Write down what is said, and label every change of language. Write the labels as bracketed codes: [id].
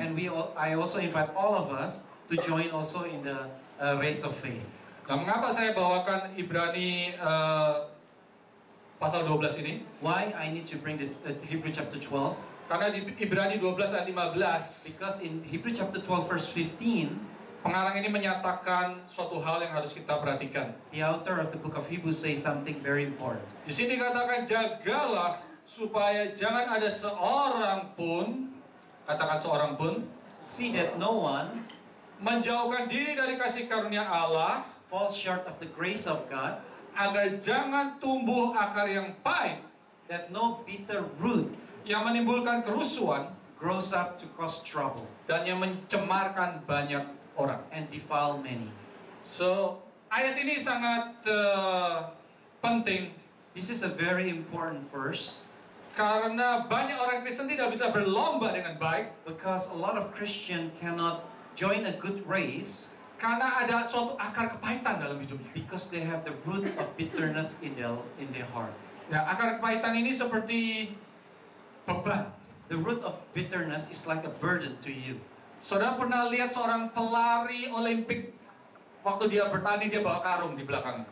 [en] And I also invite all of us to join also in the race of faith. [id] Nah, mengapa saya bawakan Ibrani pasal 12 ini? [en] Why I need to bring the Hebrews chapter 12? [id] Karena di Ibrani 12 ayat 15. [en] Because in Hebrews chapter 12 verse 15. [id] Pengarang ini menyatakan suatu hal yang harus kita perhatikan. [en] The author of the book of Hebrews say something very important. [id] Di sini katakan jagalah supaya jangan ada seorang pun, katakan seorang pun, [en] see that no one [id] menjauhkan diri dari kasih karunia Allah, [en] fall short of the grace of God, [id] agar jangan tumbuh akar yang pahit, [en] that no bitter root [id] yang menimbulkan kerusuhan, [en] grows up to cause trouble, [id] dan yang mencemarkan banyak orang [en] and defile many. [id] So ayat ini sangat penting. [en] This is a very important verse. [id] Karena banyak orang Kristen tidak bisa berlomba dengan baik. [en] Because a lot of Christian cannot join a good race. [id] Karena ada suatu akar kepahitan dalam hidupnya. [en] Because they have the root of bitterness in their heart. [id] Nah, akar kepahitan ini seperti beban. [en] The root of bitterness is like a burden to you. [id] Saudara pernah lihat seorang pelari Olimpik waktu dia bertanding dia bawa karung di belakang?